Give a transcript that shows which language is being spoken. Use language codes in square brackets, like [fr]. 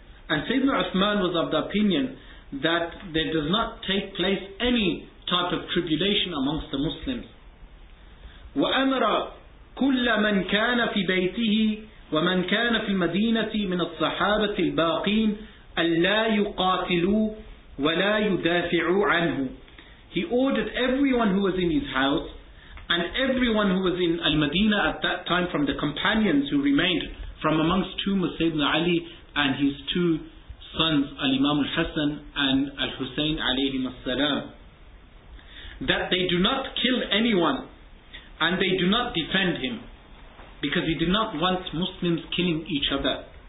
[en] And سيدنا عثمان was of the opinion that there does not take place any type of tribulation amongst the Muslims. [ar] وأمر كل من كان في بيته ومن كان في المدينة من الصحابة الباقين ألا يقاتلوا ولا يدافعوا عنه. [en] He ordered everyone who was in his house and everyone who was in Al-Madina at that time from the companions who remained from amongst whom was Sayyidina Ali and his two sons Al-Imam Al-Hassan and Al-Hussein [ar] alayhim as-salam, [en] that they do not kill anyone and they do not defend him, because he did not want Muslims killing each other.